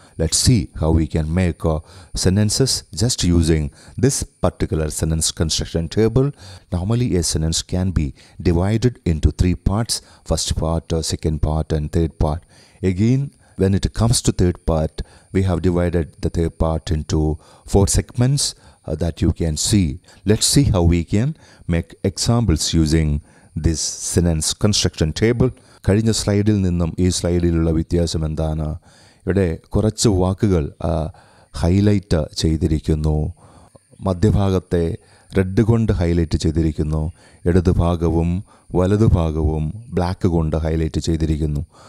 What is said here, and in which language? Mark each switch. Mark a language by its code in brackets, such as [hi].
[en] Let's see how we can make sentences just using this particular sentence construction table. Normally a sentence can be divided into 3 parts, first part, second part and third part. Again when it comes to third part, we have divided the third part into 4 segments. That you can see. Let's see how we can make examples using this sentence construction table. [ml] കഴിഞ്ഞ സ്ലൈഡിൽ നിന്നും ഈ സ്ലൈഡിലുള്ള വ്യത്യാസം എന്താണ്? ഇവിടെ കുറച്ച് വാക്കുകൾ highlight ചെയ്തിരിക്കുന്നു, മധ്യഭാഗത്തെ റെഡ് കൊണ്ട് ഹൈലൈറ്റ് ചെയ്തിരിക്കുന്നു, ഇടതുഭാഗവും വലതുഭാഗവും ബ്ലാക്ക് കൊണ്ട് ഹൈലൈറ്റ് ചെയ്തിരിക്കുന്നു.